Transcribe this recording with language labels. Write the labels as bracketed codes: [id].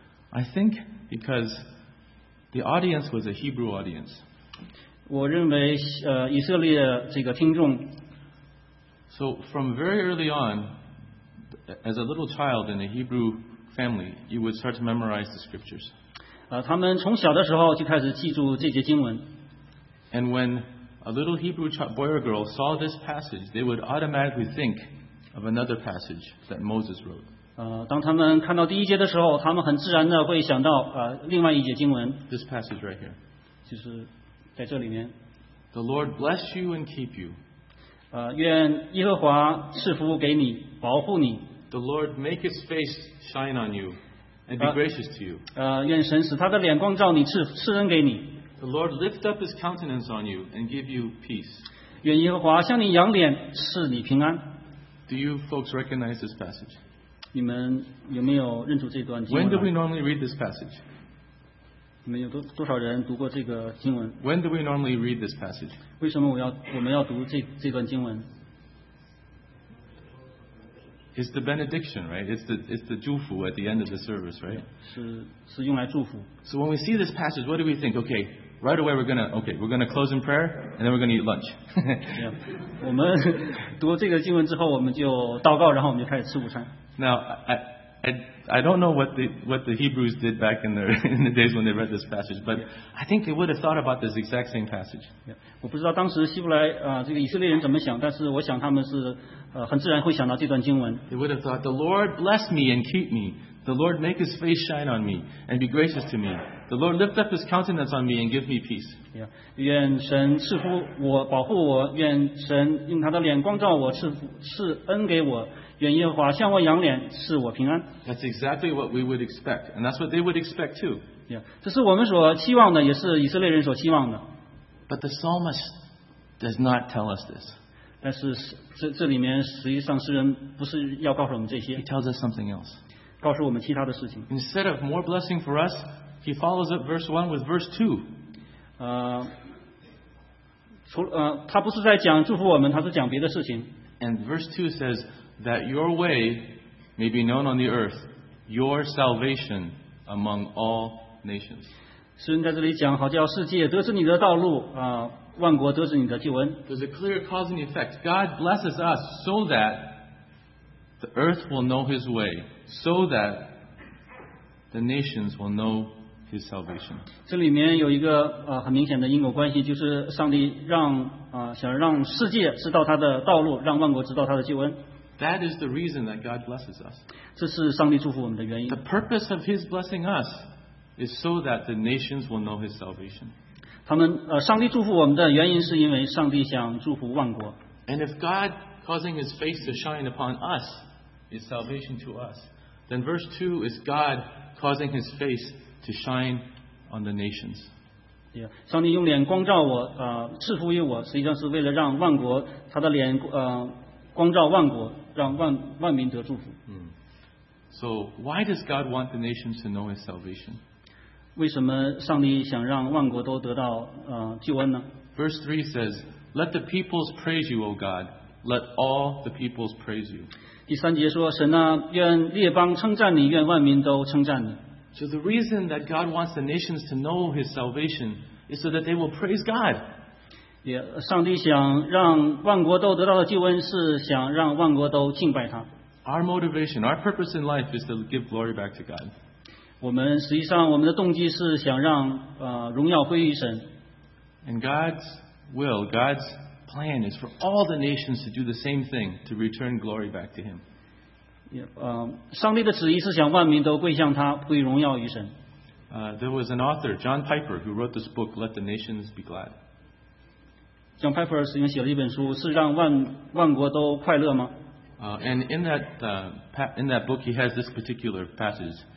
[en] I think because the audience was a Hebrew audience. [zh] 我认为以色列这个听众。 [en] So from very early on, as a little child in a Hebrew family, you would start to memorize the scriptures. [zh] 他们从小的时候就开始记住这节经文。 [en] And when a little Hebrew boy or girl saw this passage, they would automatically think of another passage that Moses wrote. [zh] 当他们看到第一节的时候，他们很自然的会想到另外一节经文。 [en] This passage right here. [zh] 就是在这里面。 [en] The Lord bless you and keep you. [zh] 愿耶和华赐福给你，保护你。 [en] The Lord make His face shine on you and be gracious to you. [zh] 愿神使他的脸光照你，赐恩给你。 [en] The Lord lift up His countenance on you and give you peace. [zh] 愿耶和华向你扬脸，赐你平安。 [en] Do you folks recognize this passage? [zh] 你们有没有认出这段经文？ [en] When do we normally read this passage? [zh] 你们有多少人读过这个经文？ [en] When do we normally read this passage? [zh] 为什么我们要读这段经文？ [en] It's the benediction, right? It's the [zh] 祝福 [en] at the end of the service, right? [zh] 是用来祝福。 [en] So when we see this passage, what do we think? Okay, right away we're gonna close in prayer, and then we're gonna eat lunch. Yeah, [zh] 我们读这个经文之后，我们就祷告，然后我们就开始吃午餐。 [en] Now, I don't know what the Hebrews did back in the days when they read this passage, but I think they would have thought about this exact same passage. Yeah, [zh] 我不知道当时希伯来这个以色列人怎么想，但是我想他们是很自然会想到这段经文。 [en] They would have thought, "The Lord bless me and keep me. The Lord make His face shine on me and be gracious to me. The Lord lift up His countenance on me and give me peace." Yeah, [zh] 愿神赐福我，保护我；愿神用他的脸光照我，赐恩给我。愿耶和华向我扬脸，赐我平安。 [en] That's exactly what we would expect, and that's what they would expect too. Yeah, [zh] 这是我们所期望的，也是以色列人所期望的。 [en] But the psalmist does not tell us this. [zh] 但是这里面实际上诗人不是要告诉我们这些。 [en] He tells us something else. [zh] 告诉我们其他的事情。 [en] Instead of more blessing for us, he follows up verse 1 with verse 2. [zh] 他不是在讲祝福我们，他是讲别的事情。 [en] And verse 2 says, that your way may be known on the earth, your salvation among all nations. [zh] 诗人在这里讲，好叫世界得知你的道路啊，万国得知你的救恩。 [en] There's a clear cause and effect. God blesses us so that the earth will know His way, so that the nations will know His salvation. [zh] 这里面有一个很明显的因果关系，就是上帝让想让世界知道他的道路，让万国知道他的救恩。 [en] That is the reason that God blesses us. [zh] 这是上帝祝福我们的原因。 [en] The purpose of His blessing us is so that the nations will know His salvation. [zh] 他们上帝祝福我们的原因是因为上帝想祝福万国。 [en] And if God causing His face to shine upon us is salvation to us, then verse 2 is God causing His face to shine on the nations. Yeah, [zh] 上帝用脸光照我，赐福于我，实际上是为了让万国他的脸光照万国，让万民得祝福。 [en] So why does God want the nations to know His salvation? [zh] 为什么上帝想让万国都得到救恩呢？ [en] Verse 3 says, "Let the peoples praise you, O God. Let all the peoples praise you." [zh] 第三节说，神啊，愿列邦称赞你，愿万民都称赞你。 [en] So the reason that God wants the nations to know His salvation is so that they will praise God. [zh] 上帝想让万国都得到的救恩，是想让万国都敬拜他。 [en] Our motivation, our purpose in life is to give glory back to God. [zh] 我们实际上我们的动机是想让荣耀归于神。 [en] And God's will, God's plan is for all the nations to do the same thing, to return glory back to Him. [zh] 上帝的旨意是想万民都归向他，归荣耀于神。 [en] There was an author, John Piper, who wrote this book, Let the Nations Be Glad. [zh] John Piper 曾经写了一本书，是让万国都快乐吗？ [en] And in that book, he has this particular passage.